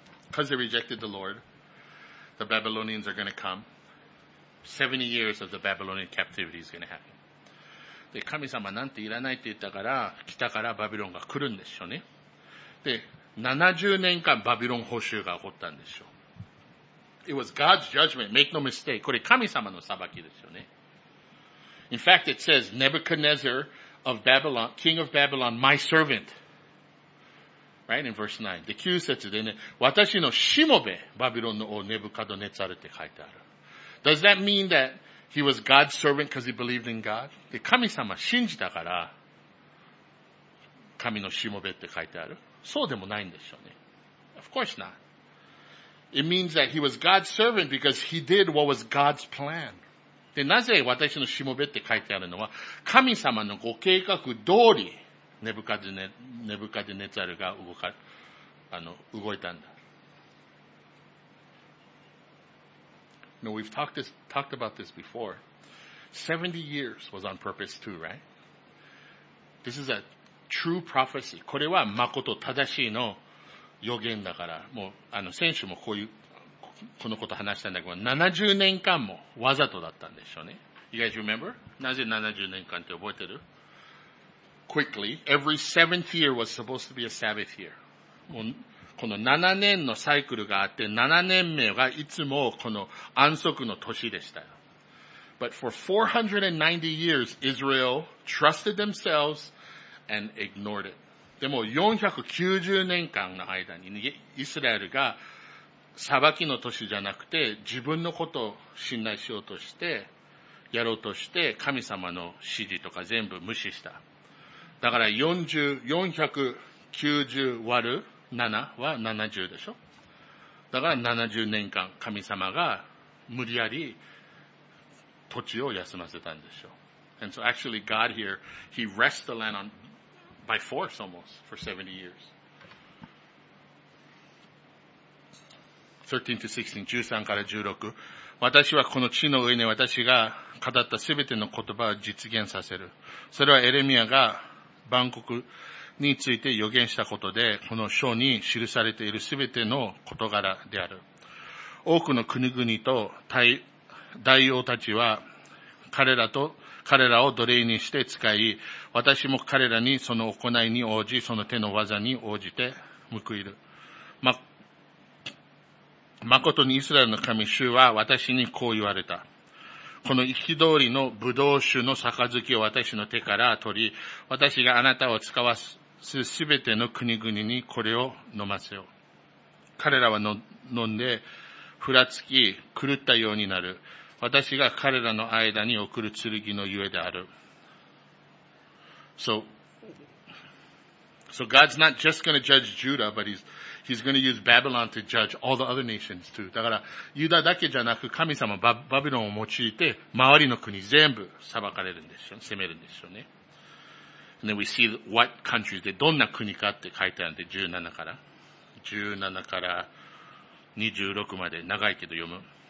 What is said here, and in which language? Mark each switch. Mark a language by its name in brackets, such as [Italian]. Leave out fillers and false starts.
[English] Because they rejected the Lord, the Babylonians are going to come. 70 years of the Babylonian captivity is going to happen. [Japanese] で、神様なんていらないって言ったから、北からバビロンが来るんでしょうね。で、70年間バビロン捕囚が起こったんでしょう。 [English] It was God's judgment. Make no mistake. [Japanese] これ神様の裁きですよね。 [English] In fact, it says, Nebuchadnezzar of Babylon, king of Babylon, my servant. Right in verse 9. [Japanese] で、9節でね、私のしもべ、バビロンの王ネブカドネザルって書いてある。 [English] Does that mean that he was God's servant because he believed in God? [Japanese] で、神様信じたから、神のしもべって書いてある。そうでもないんでしょうね。 [English] Of course not. It means that he was God's servant because he did what was God's plan. [Japanese] で、なぜ私のしもべって書いてあるのは、神様のご計画通り、ネブカデネザルが動いたんだ。 [English] No, we've talked about this before. 70 years was on purpose too, right? This is a true prophecy. [Japanese] これは誠正しいの予言だから、もう、先週もこういう、このこと話したんだけど、70年間もわざとだったんでしょうね。 [English] You guys remember? [Japanese] なぜ70年間って覚えてる? [English] Quickly, every seventh year was supposed to be a Sabbath year. [Japanese] この7年のサイクルがあって、7年目がいつもこの安息の年でしたよ。 [English] But for 490 years, Israel trusted themselves and ignored it. [Japanese] でも490年間の間にイスラエルが裁きの年じゃなくて自分のことを信頼しようとしてやろうとして神様の指示とか全部無視した。だから490÷7は70でしょ。だから70年間神様が無理やり土地を休ませたんでしょう。 [English] And so actually God here, he rests the land on, by force almost for 70 years. [Japanese] 13 to 16, 13から16。私はこの地の上に私が語ったすべての言葉を実現させる。それはエレミアが万国について予言したことで、この書に記されているすべての事柄である。多くの国々と大王たちは彼らを奴隷にして使い、私も彼らにその行いに応じ、その手の技に応じて報いる。まことにイスラエルの神主は私にこう言われた。この行き通りの葡萄酒の杯を私の手から取り、私があなたを使わすすべての国々にこれを飲ませよう。彼らは飲んで、ふらつき、狂ったようになる。私が彼らの間に送る剣のゆえである。 [English] So God's not just gonna judge Judah, but he's gonna use Babylon to judge all the other nations too. [Japanese] だから、ユダだけじゃなく、神様バビロンを用いて、周りの国全部裁かれるんでしょ、攻めるんでしょうね。 [English] And then we see what countries [Japanese] で、どんな国かって書いてあるんで、17から26まで、長いけど読む。